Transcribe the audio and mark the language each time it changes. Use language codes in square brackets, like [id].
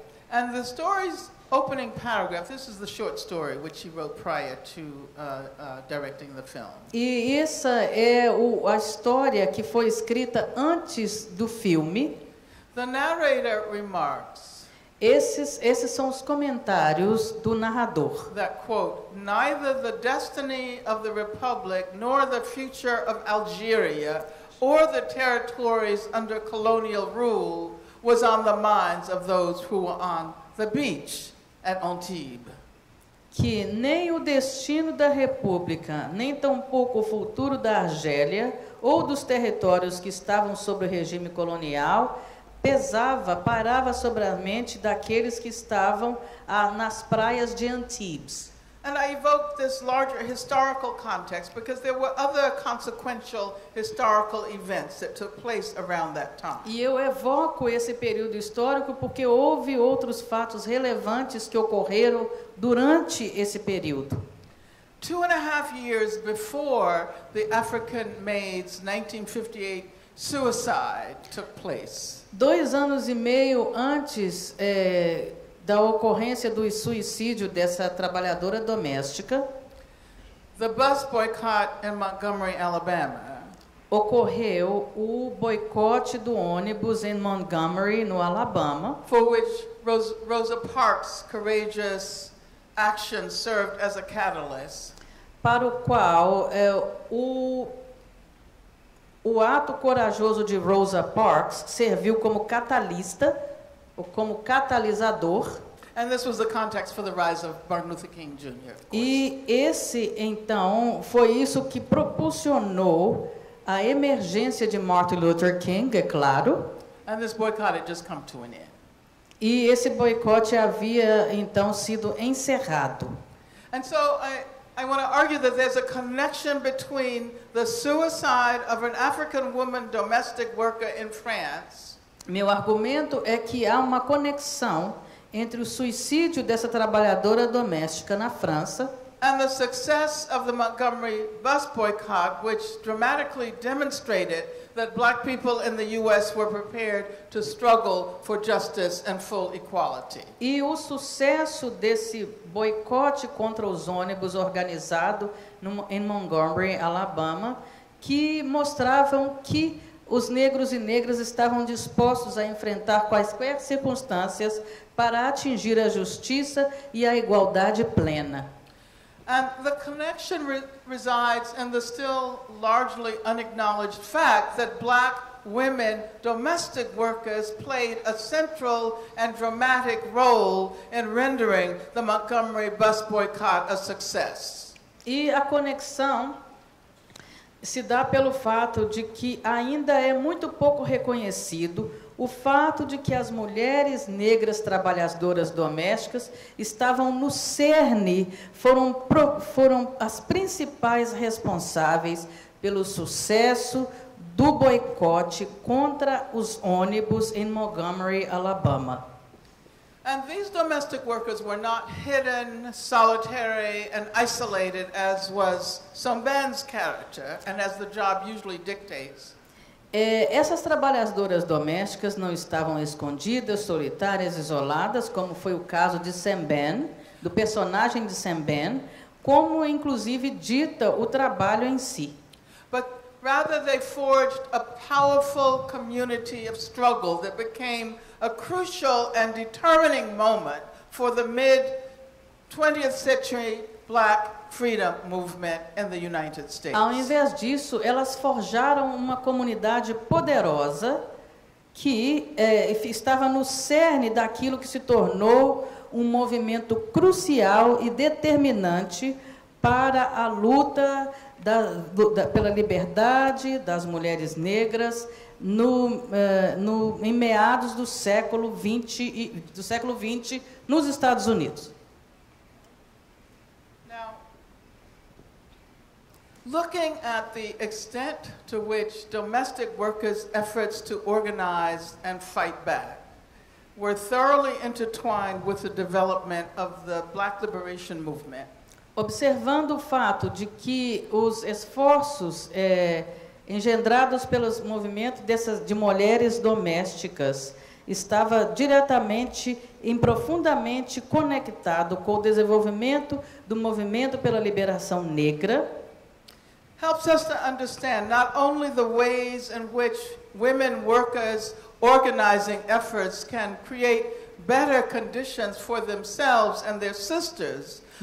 [en] And the story's opening paragraph, this is the short story which he wrote prior to directing the film. [pt] E essa é a história que foi escrita antes do filme. [en] The narrator remarks. [pt] Esses são os comentários do narrador. [en] That quote, neither the destiny of the Republic nor the future of Algeria or the territories under colonial rule was on the minds of those who were on the beach at Antibes. [pt] Que nem o destino da República, nem tampouco o futuro da Argélia ou dos territórios que estavam sob o regime colonial parava sobre a mente daqueles que estavam nas praias de Antibes. [en] And I evoke this larger historical context because there were other consequential historical events that took place around that time. [pt] E eu evoco esse período histórico porque houve outros fatos relevantes que ocorreram durante esse período. [en] 2.5 years before the African Maid's 1958 suicide took place. [pt] 2 anos e meio antes da ocorrência do suicídio dessa trabalhadora doméstica, [en] the bus boycott in Montgomery, Alabama, [pt] ocorreu o boicote do ônibus em Montgomery, no Alabama, [en] for which Rosa Parks' courageous action served as a catalyst, [pt] para o qual o ato corajoso de Rosa Parks serviu como catalista, ou como catalisador. [en] And this was the context for the rise of Martin Luther King Jr. [pt] E esse, então, foi isso que propulsionou a emergência de Martin Luther King, é claro. [en] And this boycott had just come to an end. [pt] E esse boicote havia, então, sido encerrado. [en] And so I want to argue that there's a connection between the suicide of an African woman domestic worker in France. [pt] Meu argumento é que há uma conexão entre o suicídio dessa trabalhadora doméstica na França [en] and the success of the Montgomery bus boycott, which dramatically demonstrated that black people in the U.S. were prepared to struggle for justice and full equality. [pt] E o sucesso desse boicote contra os ônibus organizado em Montgomery, Alabama, que mostravam que os negros e negras estavam dispostos a enfrentar quaisquer circunstâncias para atingir a justiça e a igualdade plena. [en] And the connection resides in the still largely unacknowledged fact that black women, domestic workers, played a central and dramatic role in rendering the Montgomery bus boycott a success. [pt] E a conexão se dá pelo fato de que ainda é muito pouco reconhecido o fato de que as mulheres negras trabalhadoras domésticas estavam no cerne, foram as principais responsáveis pelo sucesso do boicote contra os ônibus em Montgomery, Alabama. [en] And these domestic workers were not hidden, solitary, and isolated, as was Somban's character, and as the job usually dictates. [pt] Essas trabalhadoras domésticas não estavam escondidas, solitárias, isoladas, como foi o caso de Somban, do personagem de Somban, como inclusive dita o trabalho em si. [en] But rather they forged a powerful community of struggle that became a crucial and determining moment for the mid-20th century black freedom movement in the United States. [pt] Ao invés disso, elas forjaram uma comunidade poderosa que estava no cerne daquilo que se tornou um movimento crucial e determinante para a luta pela liberdade das mulheres negras em meados do século 20 nos Estados Unidos. [en] Now, looking at the extent to which domestic workers' efforts to organize and fight back were thoroughly intertwined with the development of the Black Liberation Movement. [pt] Observando o fato de que os esforços engendrados pelos movimentos de mulheres domésticas estava diretamente e profundamente conectado com o desenvolvimento do movimento pela liberação negra, [en] helps us to understand not only the ways in which women workers organizing efforts can create better conditions for themselves and their sisters.